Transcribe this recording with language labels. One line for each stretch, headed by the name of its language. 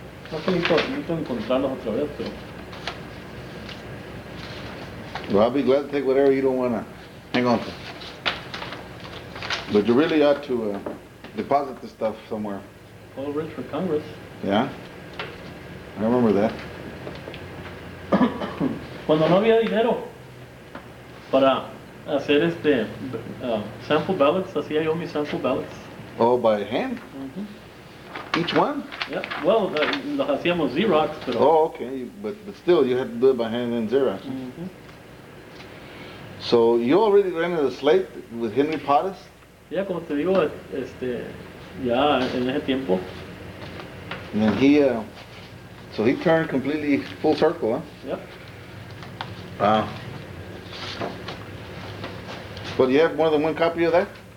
Spanish: No sé si puedo encontrarlas otra vez, pero.
English: Well, I'll be glad to take whatever you don't want to hang on to. But you really ought to deposit this stuff somewhere. Call Rich for Congress. Yeah? I remember that.
Spanish: Cuando no había dinero para hacer este
English: sample ballots,
Spanish: hacía yo mis sample ballots.
English: Oh, by hand? Mm-hmm. Each one? Yeah, well,
Spanish: los hacíamos Xerox, pero.
English: Oh, okay, but still, you had to do it by hand in Xerox. Mm-hmm. So, you already ran the slate with Henry Pottis? Yeah,
Spanish: como te digo, este, ya en ese tiempo.
English: And then he, so he turned completely full circle, huh? Yep. Wow. Well, you have more than one copy of that?